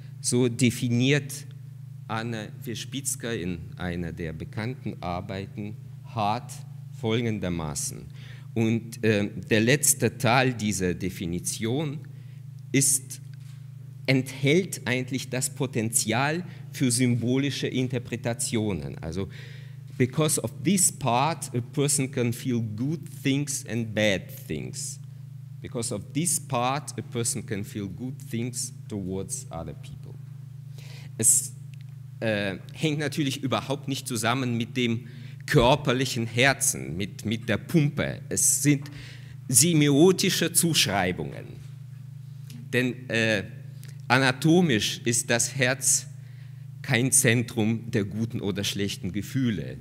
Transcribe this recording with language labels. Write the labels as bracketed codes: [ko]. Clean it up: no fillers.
[de] So definiert Anna Verspitzka in einer der bekannten Arbeiten Hart folgendermaßen. Und der letzte Teil dieser Definition ist, enthält eigentlich das Potenzial für symbolische Interpretationen. [en] Also, because of this part, a person can feel good things and bad things. Because of this part, a person can feel good things towards other people. [de] Es hängt natürlich überhaupt nicht zusammen mit dem körperlichen Herzen, mit der Pumpe. Es sind semiotische Zuschreibungen. Denn anatomisch ist das Herz kein Zentrum der guten oder schlechten Gefühle.